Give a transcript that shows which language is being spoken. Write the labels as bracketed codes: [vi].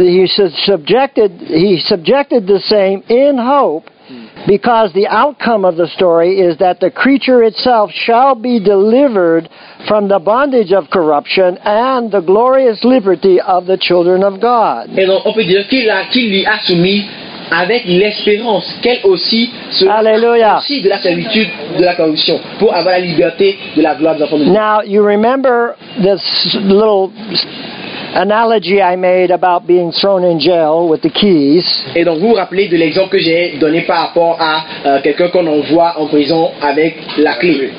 [en] He subjected the same in hope. Because the outcome of the story is that the creature itself shall be delivered from the bondage of corruption and the glorious liberty of the children of God. [fr] Et donc on peut dire qu'il lui a soumis avec l'espérance qu'elle aussi sera aussi de la servitude de la corruption pour avoir la liberté de la gloire de l'enfant de Dieu. [en] Now you remember this little analogy I made about being thrown in jail with the keys. [fr] Et donc vous rappelez de l'exemple que j'ai donné par rapport à quelqu'un qu'on envoie en prison avec la clé.